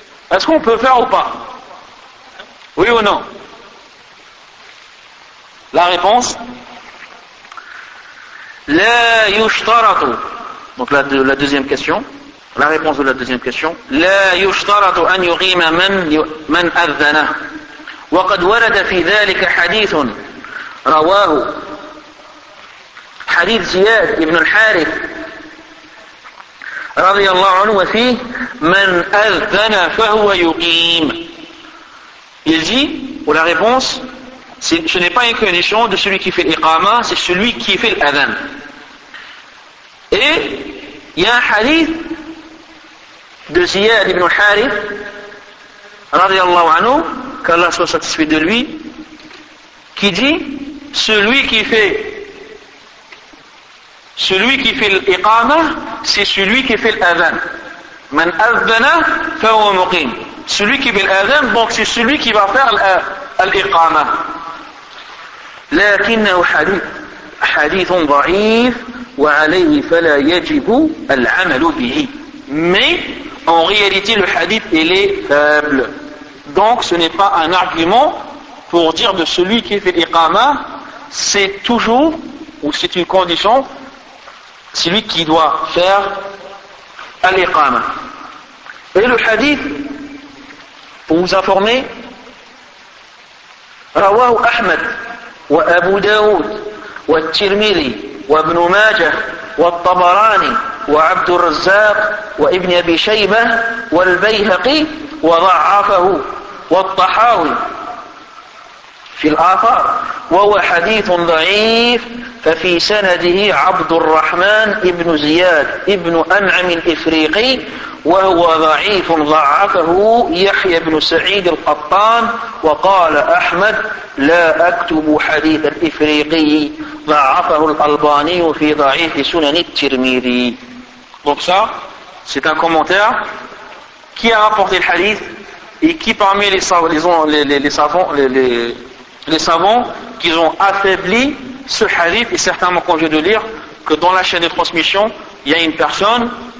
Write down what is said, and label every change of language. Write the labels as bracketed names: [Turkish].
[French] Est-ce qu'on peut faire ou pas? Oui ou non? La réponse, [Arabic] La yushtaratu. [French] Donc la deuxième question, la réponse de la deuxième question. [Arabic] La yushtaratu an yughima man adhana. وقد ورد في ذلك حديث رواه حديث زياد ابن الحارث رضي الله عنه وفيه من أذن فهو يقيم. [French] Il dit, ou la réponse, ce n'est pas une condition de celui qui fait l'iqama, c'est celui qui fait l'adhan. Et il y a un hadith de Ziyad ibn al-Harith, [Arabic] radiallahu anhu, [French] qu'Allah soit satisfait de lui, qui dit, celui qui fait l'iqama, c'est celui qui fait l'adhan. [Arabic] Man adhana fa huwa muqim. [French] Celui qui fait l'adhan, donc c'est celui qui va faire l'iqama. [Arabic] لكنه حديث ضعيف وعليه فلا يجب العمل به. [French] Mais en réalité le hadith il est faible. Donc ce n'est pas un argument pour dire de celui qui fait l'iqama, c'est toujours ou c'est une condition celui qui doit faire l'iqama. Et le hadith, pour vous informer, [Arabic] rawahu Ahmed وأبو داود والترمذي وابن ماجه والطبراني وعبد الرزاق وابن أبي شيبة والبيهقي وضعفه والطحاوي في الآثار وهو حديث ضعيف ففي سنده عبد الرحمن ابن زياد ابن أنعم الإفريقي وهو ضعيف ضعفه يحيى بن سعيد القطان وقال أحمد لا أكتب حديث الإفريقي ضعفه الألباني في ضعيف سنن الترمذي. [French] Donc ça, c'est un commentaire qui a rapporté le hadith et qui parmi les savants qui ont affaibli ce hadith, et certainement quand je viens de lire que dans la chaîne de transmission il y a une personne,